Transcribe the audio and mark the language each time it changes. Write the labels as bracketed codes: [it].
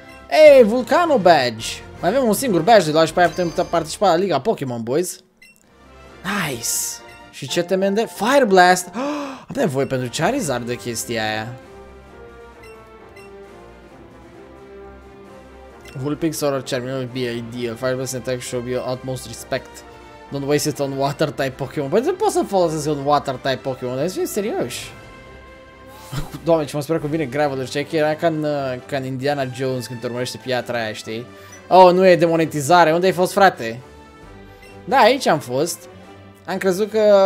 [ro] Ei, Vulcano Badge. Mai avem un singur badge de luat și pe aia putem participa la Liga Pokémon, boys. Nice. Și ce temem de? Fire Blast. Oh, am nevoie pentru Charizard de chestia aia. [en] Vulpix or Charmin would be ideal. Fireblast attack should be utmost respect. Don't waste it on water type Pokémon. [ro] Păi nu pot să folosesc un water type Pokémon, dar să fim serioși. Doamne, ce mă sper că vine Graveler, știi? Era ca în, ca în Indiana Jones când te urmărește piatra aia, știi? Oh, nu e demonetizare. Unde ai fost, frate? Da, aici am fost. Am crezut că...